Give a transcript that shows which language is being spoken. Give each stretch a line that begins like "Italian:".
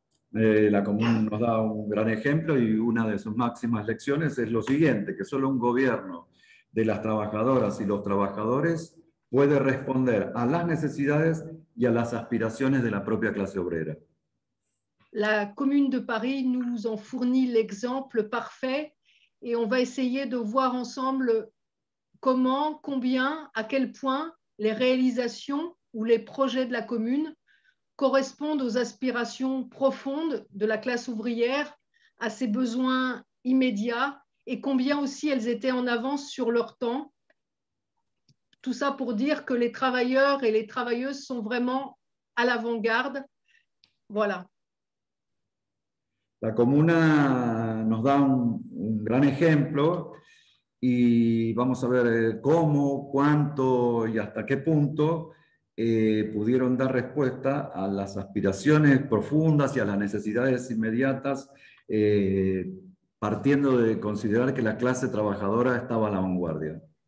Spanish: La Comune nos da un gran ejemplo y una de sus máximas lecciones es lo siguiente, que solo un gobierno de las trabajadoras y los trabajadores puede responder a las necesidades y a las aspiraciones de la propia clase obrera.
French: La Commune de Paris nous en fournit l'exemple parfait et on va essayer de voir ensemble comment, combien, à quel point les réalisations ou les projets de la Commune correspondent aux aspirations profondes de la classe ouvrière, à ses besoins immédiats et combien aussi elles étaient en avance sur leur temps. Tout ça pour dire que les travailleurs et les travailleuses sont vraiment à l'avant-garde. Voilà.
Spanish: La Comuna nos da un gran ejemplo y vamos a ver cómo, cuánto y hasta qué punto pudieron dar respuesta a las aspiraciones profundas y a las necesidades inmediatas, partiendo de considerar que la clase trabajadora estaba a la vanguardia.